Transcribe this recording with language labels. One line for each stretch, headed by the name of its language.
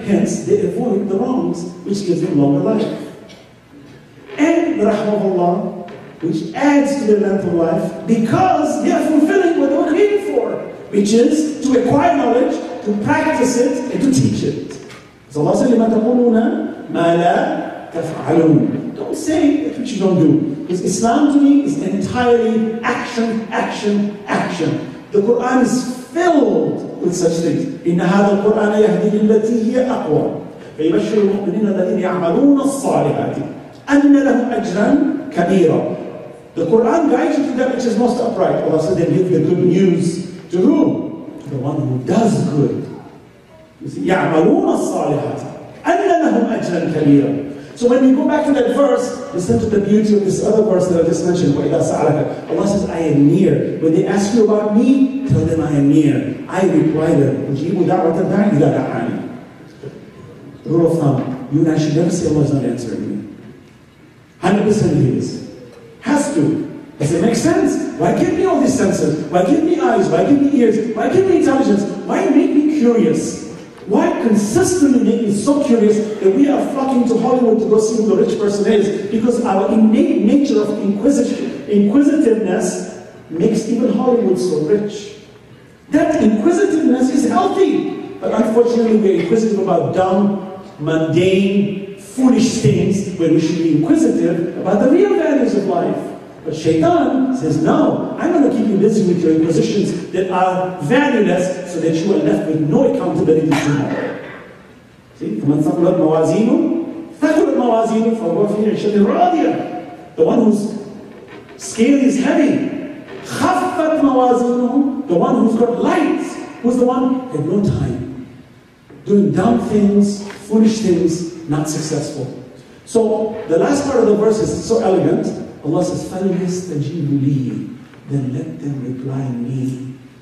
English: Hence, they avoid the wrongs, which gives them longer life. And, rahmahullah, which adds to their length of life, because they are fulfilling what they were created for, which is to acquire knowledge, to practice it, and to teach it. So Allah said,
Arabic: لِمَا تَقُولُونَ مَا لَا تَفْعَلُونَ.
English: Don't say that which you don't do. Because Islam to me is entirely action, action, action. The Quran is filled with such things.
Arabic: إِنَّ هَذَا الْقُرْآنَ يَهْدِي لِلَّتِي هِيَ أَقْوَى فَيُبَشِّرُ الْمُؤْمِنِينَ الَّذِينَ يَعْمَلُونَ الصَّالِحَاتِ أَنَّ لَهُمْ أَجْرًا كَبِيرًا.
English: The Quran guides you to that which is most upright. Allah said, they give the good news to whom? To the one who does good. You see,
Arabic: يَعْمَلُونَ الصَّالِحَاتِ أَنَّ لَهُمْ أَجْرًا كَبِيرًا.
English: So when we go back to that verse, listen to the beauty of this other verse that I just mentioned,
Arabic: وَإِذَا سَعَلَكَ.
English: Allah says, I am near. When they ask you about me, tell them I am near. I reply them,
Arabic: أُجِيبُ دَعْوَةَ الدَّاعِ إِذَا دَعَانِ.
English: Rule of thumb, you and I should never say Allah is not answering me. 100% He is. Has to. Does it make sense? Why give me all these senses? Why give me eyes? Why give me ears? Why give me intelligence? Why make me curious? Why consistently make me so curious that we are flocking to Hollywood to go see who the rich person is? Because our innate nature of inquisitiveness makes even Hollywood so rich. That inquisitiveness is healthy. But unfortunately, we're inquisitive about dumb, mundane, foolish things when we should be inquisitive about the real values of life. But Shaitan says, no, I'm going to keep you busy with your inquisitions that are valueless so that you are left with no accountability to me. See?
Arabic: فَمَنْ ثَقُلَتْ مَوَازِينُ ثَقُلَتْ مَوَازِينُ فَهُوَ فِي عِشَةٍ رَاضِيَةٍ.
English: The one whose scale is heavy,
Arabic: خفت موازينه.
English: The one who's got light was the one who had no time, doing dumb things, foolish things, not successful. So the last part of the verse is so elegant. Allah says,
Arabic: فَلْيَسْتَجِيبُوا لِي,
English: then let them reply me.